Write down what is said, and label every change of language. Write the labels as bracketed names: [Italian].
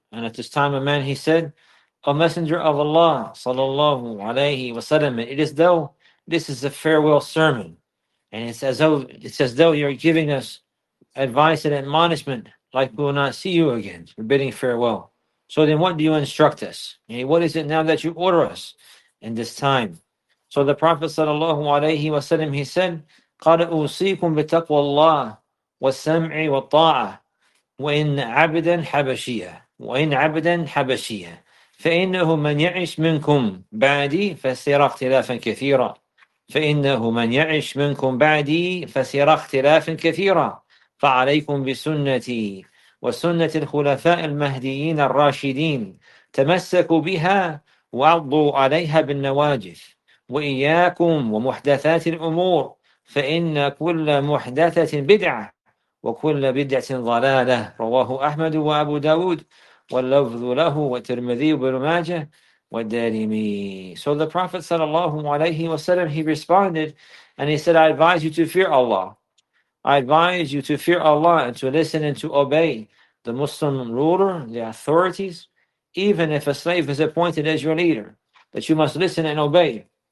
[English] And at this time, a man, he said, O Messenger of Allah, sallallahu alayhi wa sallam, it is though this is a farewell sermon. And it's as though you're giving us advice and admonishment, like we will not see you again. We're bidding farewell. So then what do you instruct us? What is it now that you order us in this time? So the Prophet sallallahu alayhi wa sallam, he said, [Arabic] قَدْ أُوصِيكُمْ بِتَقْوَى اللَّهِ وَالسَّمْعِ وَالطَّاعَةِ وَإِنْ عَبْدًا حَبَشِيًّا وَإِنْ عَبْدًا حَبَشِيًّا فَإِنَّهُ مَنْ يَعِشْ مِنْكُمْ بَعْدِي فَسِرَ اخْتِلَافًا كَثِيرًا فَإِنَّهُ مَنْ يَعِشْ مِنْكُمْ بَعْدِي فَسِرَ اخْتِلَافًا كَثِيرًا فَعَلَيْكُمْ بِسُنَّتِي وَسُنَّةِ الْخُلَفَاءِ الْمَهْدِيِّينَ الرَّاشِدِينَ تَمَسَّكُوا بِهَا وَعَضُّوا عَلَيْهَا بِالنَّوَاجِذِ وَإِيَّاكُمْ وَمُحْدَثَاتِ الْأُمُورِ فَإِنَّ كُلَّ مُحْدَثَةٍ بِدْعَةٍ وَكُلَّ بِدْعَةٍ ضَلَالَةٍ رواه أحمد وأبو داود واللفظ له والترمذي وابن ماجه والدارمي. [English] So the Prophet sallallahu alayhi wa sallam, he responded and he said, I advise you to fear Allah I advise you to fear Allah and to listen and to obey the Muslim ruler, the authorities, even if a slave is appointed as your leader, that you must listen and obey.